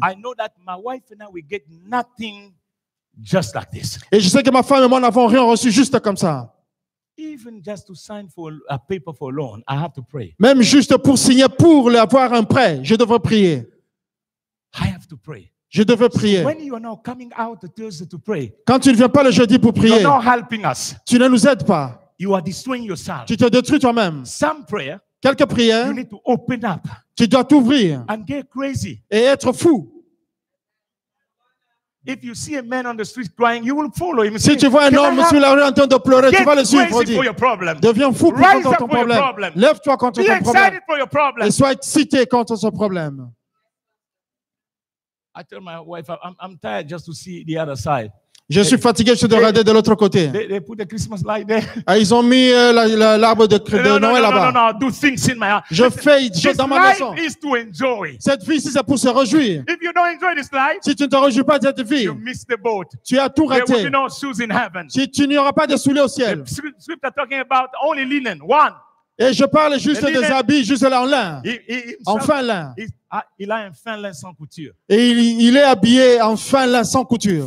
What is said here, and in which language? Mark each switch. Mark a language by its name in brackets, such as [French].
[English] I know that my wife and I we get nothing just like this. [French] Et je sais que ma femme et moi n'avons rien reçu juste comme ça. [English] Even just to sign for a paper for a loan, I have to pray. [French] Même juste pour signer pour avoir un prêt, je devrais prier. [English] I have to pray. [French] Je devais prier. [English] When you are now coming out Thursday to pray, [French] quand tu ne viens pas le jeudi pour prier, [English] you're not helping us. [French] Tu ne nous aides pas. [English] You are destroying yourself. [French] Tu te détruis toi-même. [English] Some prayer, [French] quelques prières, [English] you need to open up, [French] tu dois t'ouvrir [English] and get crazy. [French] Et être fou. [English] If you see a man on the street crying, you will follow him. [French] Si tu vois un homme sur la rue en train de pleurer, tu vas le suivre. [English] Crazy for your problem. [French] Deviens fou pour ton problème. [English] Problem. [French] Lève-toi contre [English] be [French] ton problème. [English] Excited for your problem. [French] Et sois excité contre ce problème. [English] I tell my wife, I'm tired just to see the other side. [French] Je suis fatigué juste de regarder de l'autre côté. [English] They put the Christmas light there. [French] Ah, ils ont mis l'arbre de Noël là-bas. [English] No, no, no, do things in my heart. [French] Je fais dans ma maison. [English] This life is to enjoy. [French] Cette vie, c'est pour se réjouir. [English] If you don't enjoy this life, [French] si tu ne te réjouis pas de cette vie, [English] you miss the boat. [French] Tu as tout raté. [English] There will be no shoes in heaven. [French] Si tu n'y auras pas de souliers au ciel. [English] The script are talking about only linen, one. [French] Et je parle juste des habits, juste là en lin, en fin lin. Il a un fin lin sans couture. Et il est habillé en fin lin sans couture.